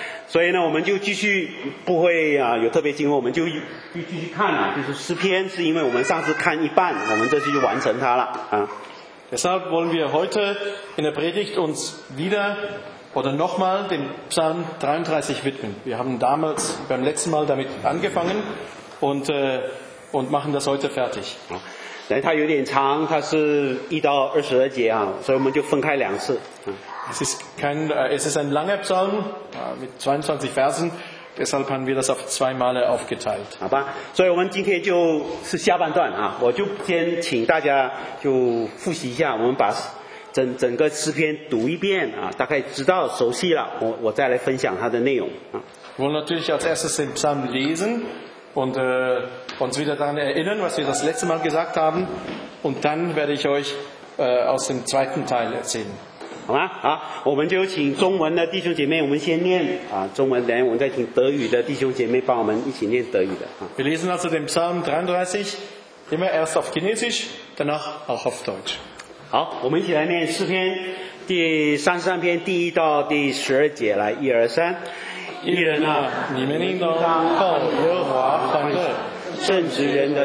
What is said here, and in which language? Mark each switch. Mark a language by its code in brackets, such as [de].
[de] Deshalb wollen wir heute in der Predigt uns wieder oder nochmal dem Psalm 33 widmen. Wir haben damals beim letzten Mal damit angefangen und machen das heute fertig. [zh] 它有点长, 它是1到20节啊, 所以我们就分开两次, [de] es ist ein langer Psalm mit 22 Versen, deshalb haben wir das auf zwei Male aufgeteilt. [zh] 好吧, 所以我们今天就是下半段啊, 我就先请大家就复习一下, 我们把整个诗篇读一遍啊, 大概知道熟悉了, 我再来分享它的内容啊。 [de] Wir wollen natürlich als erstes den Psalm lesen und uns wieder daran erinnern, was wir das letzte Mal gesagt haben. Und dann werde ich euch aus dem zweiten Teil erzählen. [zh] 好吗？啊，我们就请中文的弟兄姐妹，我们先念啊中文，然后我们再请德语的弟兄姐妹帮我们一起念德语的啊。 [de] Wir lesen also den Psalm 33, immer erst auf Chinesisch, danach auch auf Deutsch. [zh] 好，我们一起来念诗篇第33篇第1到第12节，来，一二三。一人啊，你们应当靠耶和华欢乐。